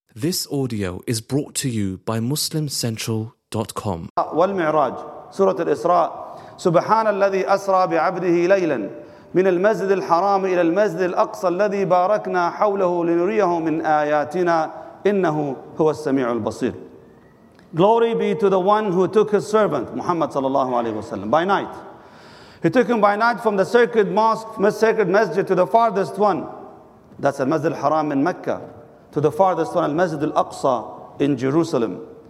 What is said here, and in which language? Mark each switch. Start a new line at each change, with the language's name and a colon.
English: This audio is brought to you by MuslimCentral.com.
Arabic: والمعراج سورة الإسراء سبحان الذي أسرى بعبده ليلا من المسجد الحرام إلى المسجد الأقصى الذي باركنا حوله لنريه من آياتنا إنه هو السميع البصير.
English: Glory be to the one who took his servant Muhammad sallallahu alaihi wasallam by night. He took him by night from the sacred mosque, sacred masjid to the farthest one. That's the Masjid al-Haram in Mecca. To the farthest one, al-Masjid al-Aqsa in Jerusalem.